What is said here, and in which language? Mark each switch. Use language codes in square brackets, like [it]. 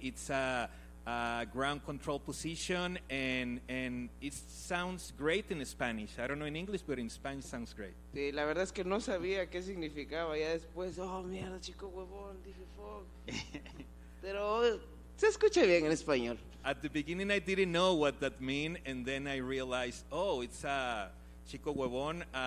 [en] It's a ground control position and it sounds great in Spanish. I don't know in English, but in Spanish sounds great. [es] Sí, la verdad es que no sabía qué significaba. Ya después, oh, mierda, chico huevón, dije, fuck. Pero se escucha bien en español. [en] At the beginning, I didn't know what that mean, and then I realized, oh, it's a chico huevón.